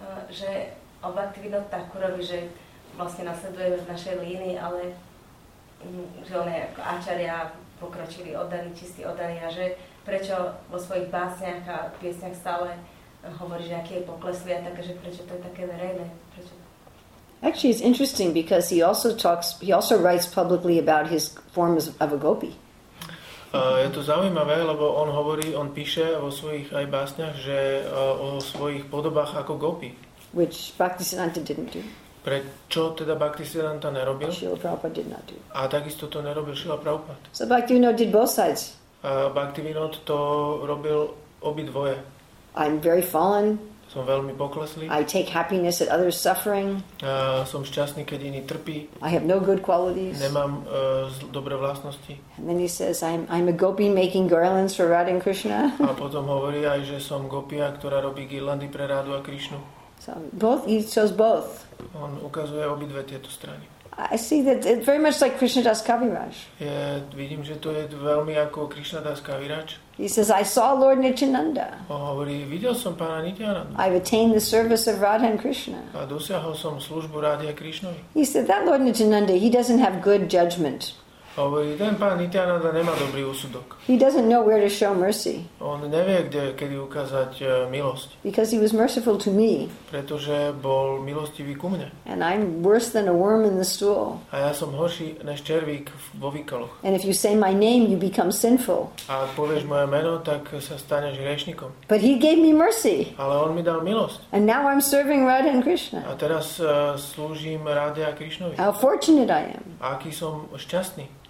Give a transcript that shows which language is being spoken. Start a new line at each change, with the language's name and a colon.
Slovak: Že o Bhaktivinoda Thakurovi, že vlastne nasleduje v našej línii, ale že on je ako áčaria, pokročili oddaný, čistý oddaný, a že prečo vo svojich básniach a piesniach stále hovorí, že aký je pokleslý a také, že prečo to je také verejné. Prečo?
English: Actually, it's interesting because he also writes publicly about his form of a gopi.
Slovak: Je to zaujímavé, lebo on hovorí, on píše vo svojich aj básniach, že o svojich podobách ako gopi.
English: Which Bhaktisiddhanta didn't do.
Slovak: Prečo teda Bhaktisiddhanta nerobil?
English: And Srila Prabhupada did not do.
Slovak: A takisto to nerobil Srila Prabhupada.
English: So Bhaktivinoda did both sides.
Slovak: Bhaktivinoda to robil obidvoje.
English: I'm very fallen.
Slovak: Som veľmi pokleslý.
English: I take happiness at others' suffering.
Slovak: Som šťastný, keď iní trpí.
English: I have no good qualities.
Slovak: Nemám dobré vlastnosti.
English: And then he says, I'm a gopi making garlands for Radha and Krishna.
Slovak: A potom hovorí aj, že som gopia, ktorá robí girlandy pre Radu a Krishnu.
English: So both, he shows both.
Slovak: On ukazuje obidve tieto strany.
English: I see that it's very much like Krishna Das Kaviraj.
Slovak: Vidím, že to je veľmi ako Krishna Das Kaviraj.
English: He says, I saw Lord Nityananda.
Slovak: Hovorí, videl som pána Nityananda.
English: I've attained the service of Radha and Krishna.
Slovak: A dosiahol som službu Rádi a Krishnovi.
English: He said, that Lord Nityananda, he doesn't have good judgment.
Slovak: Hovorí, ten pán Nityananda nemá dobrý úsudok.
English: He doesn't know where to show mercy.
Slovak: On nevie, kedy ukázať milosť.
English: Because he was merciful to me.
Slovak: Pretože bol milostivý ku mne.
English: And I'm worse than a worm in the stool.
Slovak: A ja som horší než červík vo výkaloch.
English: And if you say my name, you become sinful.
Slovak: A ak povieš moje meno, tak sa staneš hriešnikom.
English: But he gave me mercy.
Slovak: Ale on mi dal milosť.
English: And now I'm serving Radha and Krishna.
Slovak: A teraz slúžim Rade a Krishnovi.
English: How fortunate I am.
Slovak: A aký som šťastný.